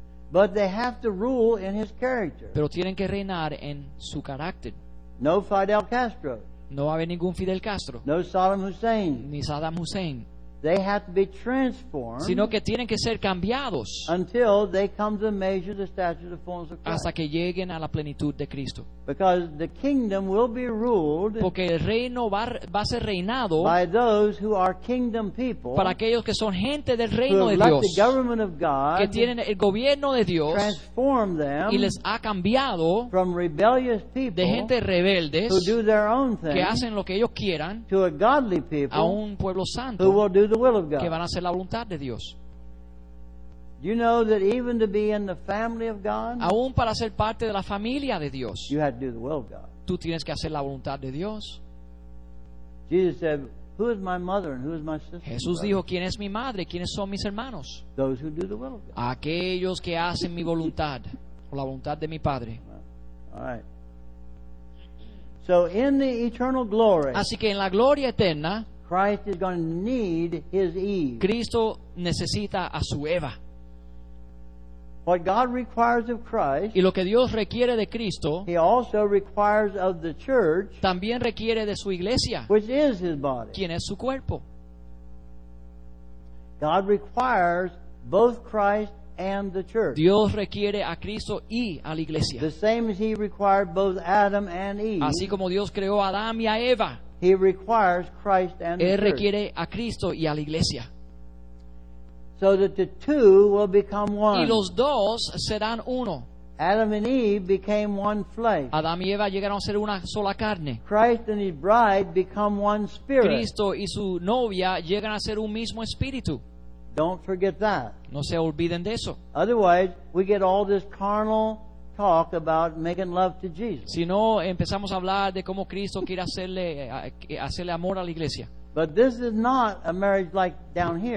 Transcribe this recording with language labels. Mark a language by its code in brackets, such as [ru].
[en] But they have to rule in his character. [es] Pero tienen que reinar en su carácter. [en] No Fidel Castro. [es] No va a haber ningún Fidel Castro. [en] No Saddam Hussein. [es] Ni Saddam Hussein. [en] They have to be transformed, [es] sino que tienen que ser cambiados, [en] until they come to measure the stature of the fullness of Christ. [es] Hasta que lleguen a la plenitud de Cristo. [en] Because the kingdom will be ruled, [es] porque el reino va a ser reinado, [en] by those who are kingdom people, [es] para aquellos que son gente del reino de Dios, [en] the government of God, [es] que tienen el gobierno de Dios, [en] transform them, [es] y les ha cambiado, [en] from rebellious people, [es] de gente rebeldes, [en] who do their own thing, [es] que hacen lo que ellos quieran, [en] to a godly people, [es] a un pueblo santo, [en] who will do the will of God. [es] Que van a hacer la voluntad de Dios. [en] You know that even to be in the family of God, [es] aún para ser parte de la familia de Dios, [en] you have to do the will of God. [es] Tú tienes que hacer la voluntad de Dios. [en] Jesus said, "Who is my mother and who is my sister?" [es] Jesús dijo, ¿quién es mi madre? ¿Quiénes son mis hermanos? [en] Those who do the will of God. [es] Aquellos que hacen mi voluntad o la voluntad de mi Padre. [en] All right. So in the eternal glory. [es] Así que en la gloria eterna. [en] Christ is going to need his Eve. [es] Cristo necesita a su Eva. [en] What God requires of Christ, [es] y lo que Dios requiere de Cristo, [en] he also requires of the church, [es] también requiere de su iglesia, [en] which is his body, [es] quien es su cuerpo. [en] God requires both Christ and the church. [es] Dios requiere a Cristo y a la iglesia. [en] The same as he required both Adam and Eve. [es] Así como Dios creó a Adán y a Eva. [en] He requires Christ and the church. [es] Él requiere a Cristo y a la iglesia. [en] So that the two will become one. [es] Y los dos serán uno. [en] Adam and Eve became one flesh. [es] Adán y Eva llegaron a ser una sola carne. [en] Christ and his bride become one spirit. [es] Cristo y su novia llegan a ser un mismo espíritu. [en] Don't forget that. [es] No se olviden de eso. [en] Otherwise, we get all this carnal talk about making love to Jesus. [es] Si no, empezamos a hablar de cómo Cristo quiere hacerle amor a la iglesia. [en] But this is not a marriage like down here.